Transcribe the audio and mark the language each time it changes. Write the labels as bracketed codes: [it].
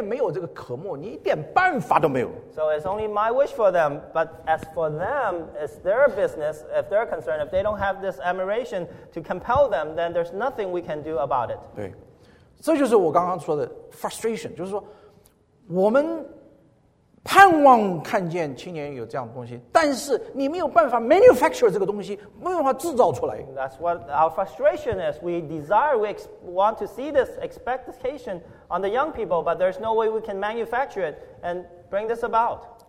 [zh] 对，他当事人即使有这个环境，也没有里面没有这个渴慕，你一点办法都没有。So [en] it's only my wish for them, but as for them, it's their business, if they're concerned, if they don't have this admiration to compel them, then there's nothing we can do about it. [zh] 对，这就是我刚刚说的 frustration， 就是说我们。盼望看见青年有这样的东西，但是你没有办法manufacture这个东西，没有办法制造出来。 [en] That's what our frustration is. We desire, we want to see this expectation on the young people, but there's no way we can manufacture it and bring this about.